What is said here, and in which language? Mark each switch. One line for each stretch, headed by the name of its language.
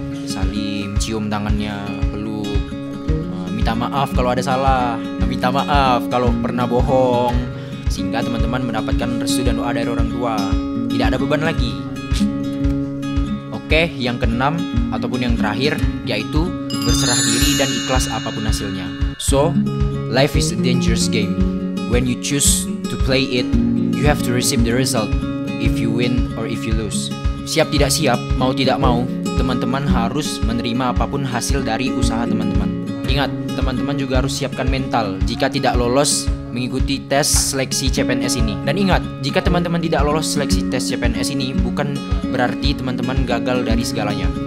Indonesian: Salim, cium tangannya, peluk, minta maaf kalau ada salah, minta maaf kalau pernah bohong, sehingga teman-teman mendapatkan restu dan doa dari orang tua. Tidak ada beban lagi. Oke, yang keenam ataupun yang terakhir yaitu berserah diri dan ikhlas apapun hasilnya.
English: So, life is a dangerous game. When you choose to play it, you have to receive the result if you win or if you lose.
Indonesian: Siap tidak siap, mau tidak mau, teman-teman harus menerima apapun hasil dari usaha teman-teman. Ingat, teman-teman juga harus siapkan mental jika tidak lolos mengikuti tes seleksi CPNS ini. Dan ingat, jika teman-teman tidak lolos seleksi tes CPNS ini, bukan berarti teman-teman gagal dari segalanya.